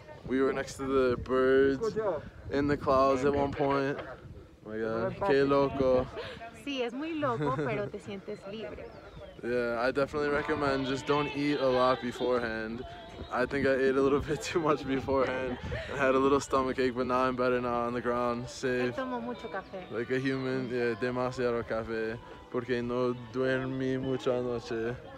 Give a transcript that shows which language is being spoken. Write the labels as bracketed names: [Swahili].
[English] We were next to the birds in the clouds at one point. Oh my god, [Spanish] qué loco. Sí, es muy loco, pero te sientes libre. [English] Yeah, I definitely recommend just don't eat a lot beforehand. I think I ate a little bit too much beforehand. I had a little stomach ache, but now I'm better now on the ground, safe. [Spanish] Tomo mucho café. [English] Like a human, yeah, [Spanish] demasiado café, porque no duermí mucho anoche.